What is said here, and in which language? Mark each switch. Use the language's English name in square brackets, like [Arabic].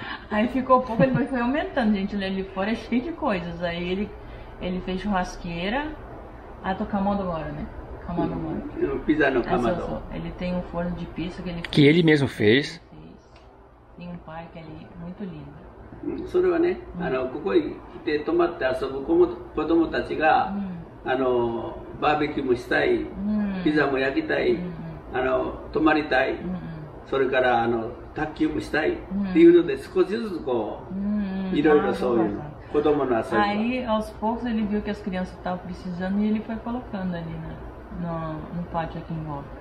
[Portuguese] Aí ficou pouco, ele foi aumentando, gente. Ele fora é cheio de coisas. Aí ele fez churrasqueira. Ah, tô camando agora, né? Camando agora. Pisa no camando. Ele tem um forno de pizza que ele fez. Que ele mesmo fez. Tem um parque ali muito lindo. [Japanese] それはね、あの、ここに来て泊まって遊ぶ子供たちが、あの、バーベキューもしたい、ピザも焼きたい、あの、泊まりたい、それからあの、卓球もしたい、っていうので少しずつこう、いろいろそういう子供の遊び。 [Portuguese] Aí aos poucos ele viu que as crianças estavam precisando e ele foi colocando ali na, no pátio aqui em volta.